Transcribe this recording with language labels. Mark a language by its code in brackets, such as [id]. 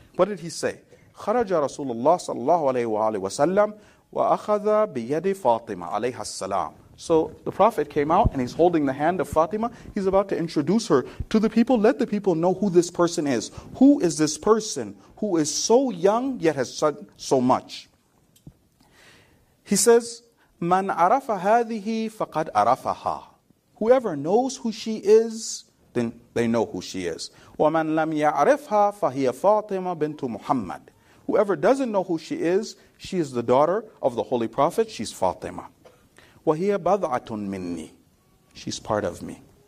[en] What did he say? [ar] خَرَجَ رَسُولُ اللَّهِ صَلَّى اللَّهُ عَلَيْهِ وَسَلَّمْ وَأَخَذَ بِيَدِ فَاطِمَ عَلَيْهَا السَّلَامُ. [en] So the Prophet came out and he's holding the hand of Fatima. He's about to introduce her to the people. Let the people know who this person is. Who is this person who is so young yet has said so much? He says, [ar] مَنْ عَرَفَ هَذِهِ فَقَدْ عَرَفَهَا. [en] Whoever knows who she is, then they know who she is. [ar] وَمَنْ لَمْ يَعْرِفْهَا فَهِيَ فَاطِمَ بِنْتُ مُحَمَّدٍ. [en] Whoever doesn't know who she is the daughter of the Holy Prophet. She's Fatima. [ar] وَهِيَ بَضْعَةٌ مِنِّي. [en] She's part of me.